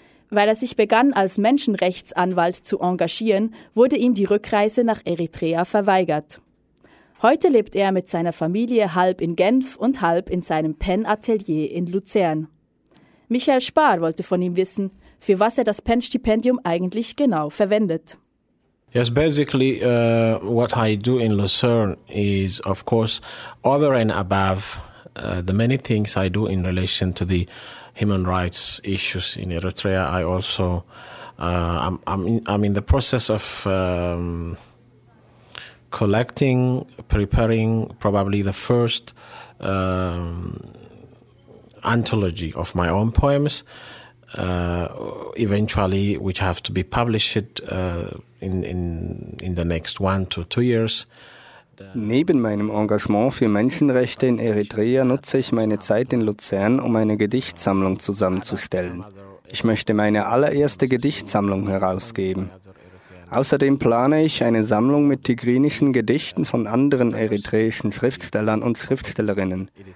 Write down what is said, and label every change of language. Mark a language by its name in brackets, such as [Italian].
[German] Weil er sich begann, als Menschenrechtsanwalt zu engagieren, wurde ihm die Rückreise nach Eritrea verweigert. Heute lebt er mit seiner Familie halb in Genf und halb in seinem Pen-Atelier in Luzern. Michael Spahr wollte von ihm wissen, für was er das Pen-Stipendium eigentlich genau verwendet. [English] Yes, basically what I do in Luzern is, of course, over and above the many things I do in relation to the human rights issues in Eritrea. I also, I'm in the process of collecting, preparing probably the first anthology of my own poems, eventually, which have to be published in the next 1 to 2 years. [German] Neben meinem Engagement für Menschenrechte in Eritrea nutze ich meine Zeit in Luzern, um eine Gedichtsammlung zusammenzustellen. Ich möchte meine allererste Gedichtsammlung herausgeben. Außerdem plane ich, eine Sammlung mit tigrinischen Gedichten von anderen eritreischen Schriftstellern und Schriftstellerinnen.